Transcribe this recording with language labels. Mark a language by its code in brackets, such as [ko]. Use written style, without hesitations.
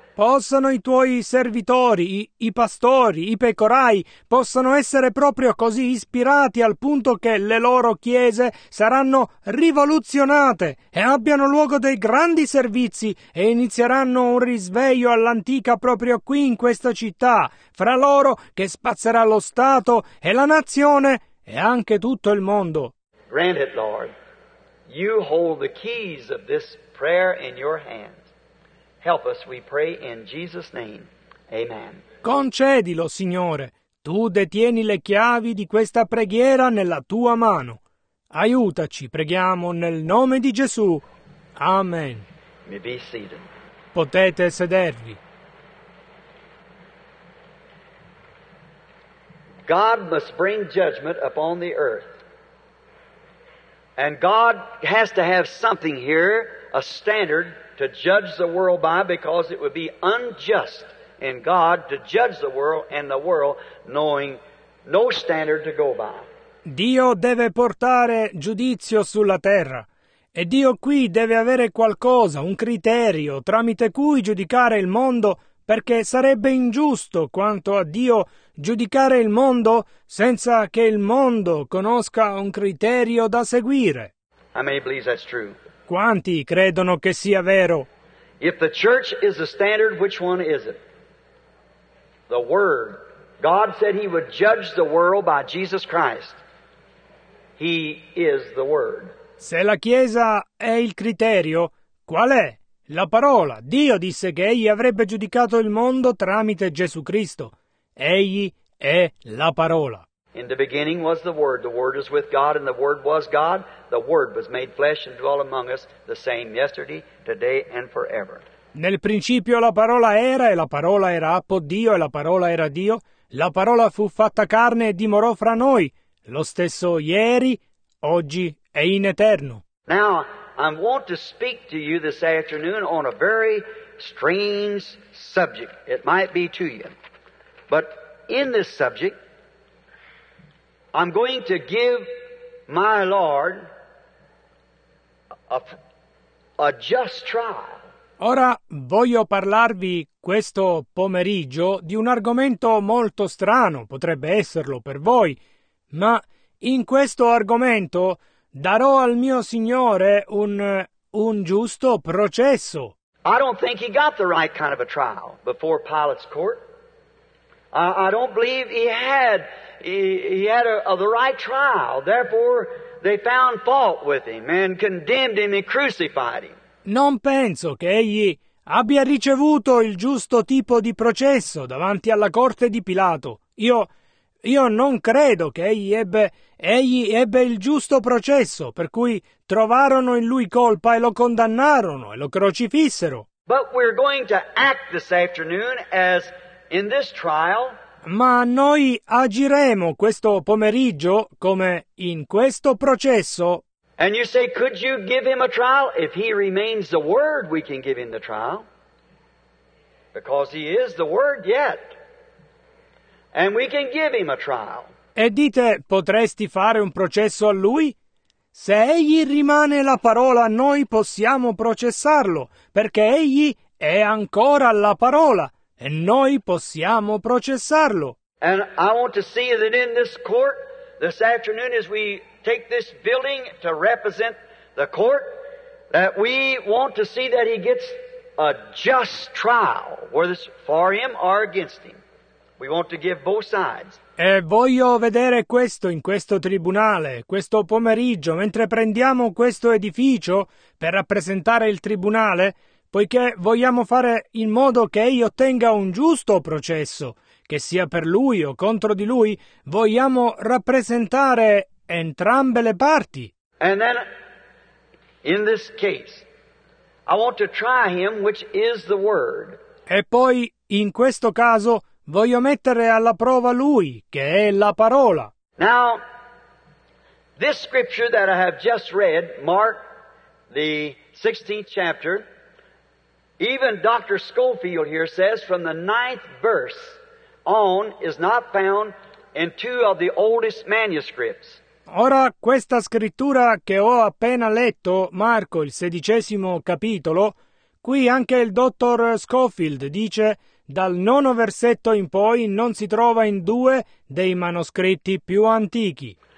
[it] Possano i tuoi servitori, i pastori, i pecorai, possano essere proprio così ispirati al punto che le loro chiese saranno rivoluzionate e abbiano luogo dei grandi servizi e inizieranno un risveglio all'antica proprio qui in questa città, fra loro che spazzerà lo Stato e la nazione e anche tutto il mondo. [en] Grant it, Lord. You hold the keys of this prayer in your hand. Help us, we pray in Jesus' name. Amen. [it] Concedilo, Signore. Tu detieni le chiavi di questa preghiera nella tua mano. Aiutaci, preghiamo nel nome di Gesù. Amen. [en] May be seated. [it] Potete sedervi. [en] God must bring judgment upon the earth. And God has to have something here, a standard to judge the world by, because it would be unjust in God to judge the world and the world knowing no standard to go by. [it] Dio deve portare giudizio sulla terra e Dio qui deve avere qualcosa, un criterio tramite cui giudicare il mondo, perché sarebbe ingiusto quanto a Dio giudicare il mondo senza che il mondo conosca un criterio da seguire. [en] How many believe that's true? [it] Quanti credono che sia vero? [en] If the church is the standard, which one is it? The Word. God said He would judge the world by Jesus Christ. He is the Word. [it] Se la Chiesa è il criterio, qual è? La parola. Dio disse che Egli avrebbe giudicato il mondo tramite Gesù Cristo. Egli è la parola. [en] In the beginning was the Word was with God, and the Word was God. The Word was made flesh and dwelt among us, the same yesterday, today, and forever. [it] Nel principio la parola era, e la parola era appo Dio, e la parola era Dio. La parola fu fatta carne e dimorò fra noi, lo stesso ieri, oggi e in eterno. [en] Now, I want to speak to you this afternoon on a very strange subject. It might be to you. But in this subject, I'm going to give my Lord a just trial. [it] Ora voglio parlarvi questo pomeriggio di un argomento molto strano, potrebbe esserlo per voi, ma in questo argomento darò al mio Signore un giusto processo. [en] I don't think he got the right kind of a trial before Pilate's court. I don't believe he had the right trial. Therefore, they found fault with him and condemned him and crucified him. [it] Non penso che egli abbia ricevuto il giusto tipo di processo davanti alla corte di Pilato. Io non credo che egli ebbe il giusto processo, per cui trovarono in lui colpa e lo condannarono e lo crocifissero. [en] But we're going to act this afternoon as in this trial. [it] Ma noi agiremo questo pomeriggio come in questo processo. [en] And you say, could you give him a trial? If he remains the Word, we can give him the trial. Because he is the Word yet. And we can give him a trial. [it] E dite, potresti fare un processo a lui? Se egli rimane la parola, noi possiamo processarlo, perché egli è ancora la parola, e noi possiamo processarlo. [en] And I want to see that in this court, this afternoon, as we take this building to represent the court, that we want to see that he gets a just trial, whether it's for him or against him. We want to give both sides. [it] E voglio vedere questo in questo tribunale, questo pomeriggio, mentre prendiamo questo edificio per rappresentare il tribunale, poiché vogliamo fare in modo che egli ottenga un giusto processo, che sia per lui o contro di lui, vogliamo rappresentare entrambe le parti. [en] And then, in this case, I want to try him, which is the Word. [it] E poi, in questo caso, voglio mettere alla prova lui, che è la parola. [en] Now, this scripture that I have just read, Mark, the 16th chapter, even Dr. Schofield here says, from the 9th verse on, is not found in two of the oldest manuscripts. [it] Ora, questa scrittura che ho appena letto, Marco, il 16° capitolo, qui anche il dottor Schofield dice, dal 9° versetto in poi non si trova in due dei manoscritti più antichi.